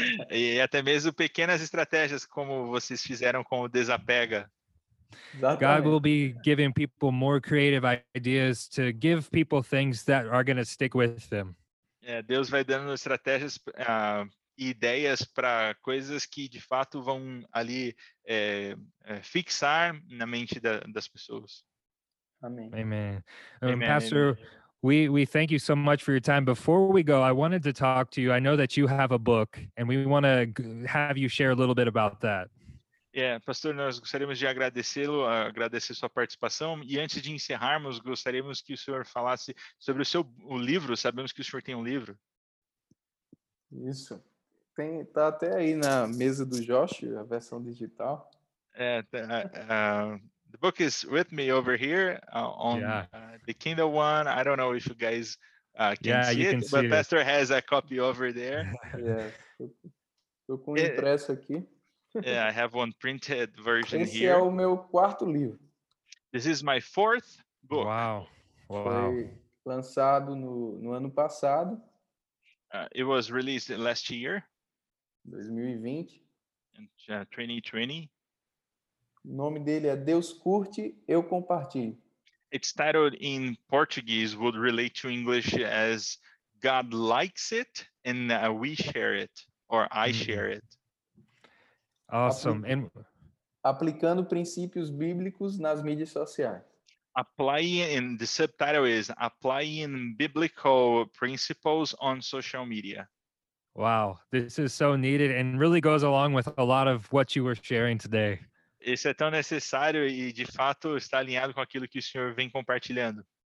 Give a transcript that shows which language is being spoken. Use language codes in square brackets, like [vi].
[pt] E até mesmo pequenas estratégias como vocês fizeram com o Desapega. Exatamente. [en] God will be giving people more creative ideas to give people things that are going to stick with them. [pt] Deus vai dando estratégias ideias para coisas que de fato vão ali fixar na mente das pessoas. Amém. [en] Amen. Amen. Pastor, we thank you so much for your time. Before we go, I wanted to talk to you. I know that you have a book and we want to have you share a little bit about that. [pt] Pastor, nós gostaríamos de agradecê-lo, agradecer sua participação. E antes de encerrarmos, gostaríamos que o senhor falasse sobre o livro. Sabemos que o senhor tem um livro. Isso. Tá até aí na mesa do Josh, a versão digital. [en] The book is with me over here the Kindle one. I don't know if you guys can see it. Pastor has a copy over there. [pt] Tô com impresso aqui. [en] I have one printed version [pt] Esse [en] here. [pt] Esse é o meu quarto livro. [en] This is my fourth book. Wow. [pt] Foi lançado no ano passado. [en] It was released last year. 2020. And, 2020. [pt] O nome dele é Deus Curte, Eu Compartilho. [en] It's titled in Portuguese would relate to English as God Likes It and We Share It, or I Share It. Awesome. [pt] Aplicando princípios bíblicos nas mídias sociais. [en] Applying, and the subtitle is Applying Biblical Principles on Social Media. Wow, this is so needed and really goes along with a lot of what you were sharing today. [pt] Isso é tão necessário e, de fato, está alinhado com aquilo que o senhor vem compartilhando.